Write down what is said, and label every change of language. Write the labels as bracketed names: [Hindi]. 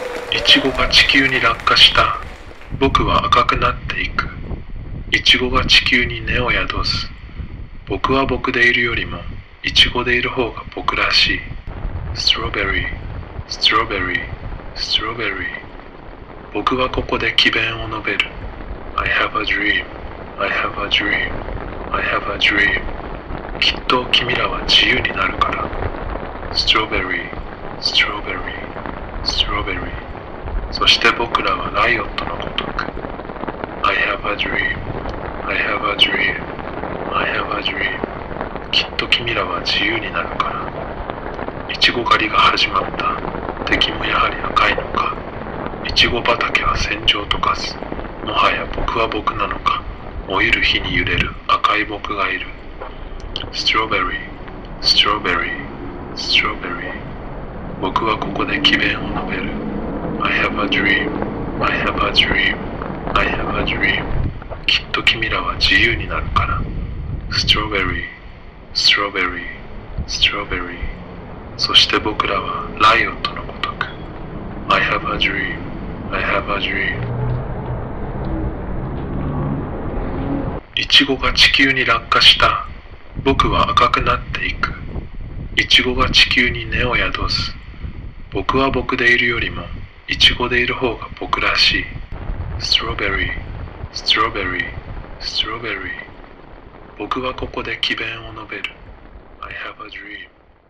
[Japanese] いちごが地球に落下した。僕は赤くなっていく。いちごが地球に根を宿す。僕は僕でいるよりも、いちごでいる方が僕らしい。ストロベリー、ストロベリー、ストロベリー。僕はここで奇弁を述べる。 [English] I have a dream, I have a dream, I have a dream。 [Japanese] きっと君らは自由になるから。ストロベリー、ストロベリー、ストロベリー。そして僕らはライオットのごとく。 [English] I have a dream, I have a dream, I have a dream。 [Japanese] きっと君らは自由になるから。いちご狩りが始まった。敵もやはり赤いのか。いちご畑は戦場と化す。もはや僕は僕なのか。老いる日に揺れる赤い僕がいる。 [English] Strawberry, strawberry, strawberry。 [Japanese] 僕はここで奇弁を述べる。 [English] I have a dream, I have a dream, I have a dream. [Japanese] きっと君らは自由になるから。 [English] Strawberry, strawberry, strawberry. [Japanese] そして僕らはライオットのごとく。 [English] I have a dream, I have a dream. [Japanese] いちごが地球に落下した。僕は赤くなっていく。いちごが地球に根を宿す。僕は僕でいるよりも、いちごでいる方が僕らしい。 [English] Strawberry, strawberry, strawberry. [Japanese] 僕はここで奇弁を述べる。 [English] I have a dream.